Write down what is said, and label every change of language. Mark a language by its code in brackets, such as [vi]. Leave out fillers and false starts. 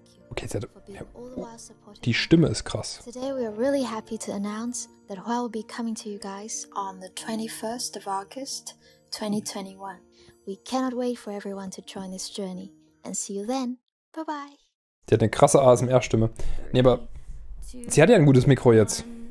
[de] Okay, sie hat, ja, die Stimme ist krass. [en] Today we are really happy to announce that Huawei will be coming to you guys on the 21st of August 2021. We cannot wait for everyone to join this journey and see you then. Bye bye. [de] Sie hat eine krasse ASMR-Stimme. Nee, aber sie hat ja ein gutes Mikro jetzt.